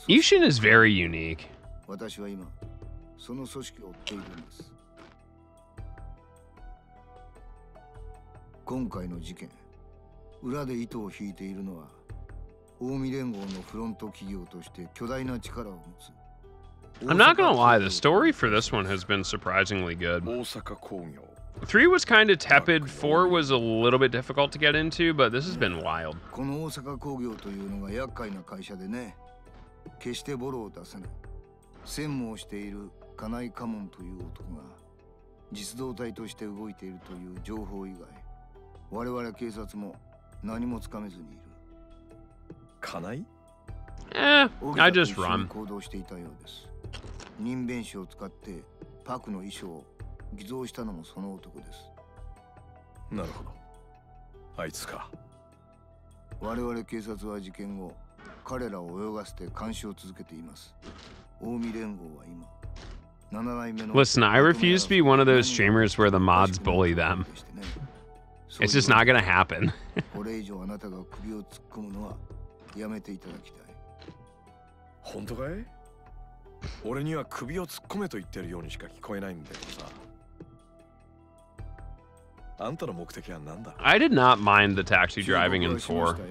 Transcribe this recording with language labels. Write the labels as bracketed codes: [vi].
[en] Yushin is very unique. [ja] 私は今その組織を追っているんです。今回の事件、裏で糸を引いているのは、大見連合のフロント企業として巨大な力を持つ。 [en] I'm not gonna lie, the story for this one has been surprisingly good. [ja] 大阪工業。 [en] 3 was kind of tepid, 4 was a little bit difficult to get into, but this has been wild. [ja] この大阪工業というのが厄介な会社でね、決してボロを出せない。専務をしている金井家門という男が、実動隊として動いているという情報以外、我々警察も何もつかめずにいる。金井？ [en] I just run。 [ja] 行動していたようです。人弁士を使ってパクの衣装を偽造したのもその男です。なるほど。あいつか。我々警察は事件後、彼らを泳がせて監視を続けています。大見連合は今、七代目の。 [en] Listen, I refuse to be one of those streamers where the mods bully them. It's just not gonna happen. [ja] これ以上あなたが首を突っ込むのはやめていただきたい。本当かい？俺には首を突っ込めと言ってるようにしか聞こえないんだけどさ。あんたの目的は何だ？ [en] I did not mind the taxi driving in 4.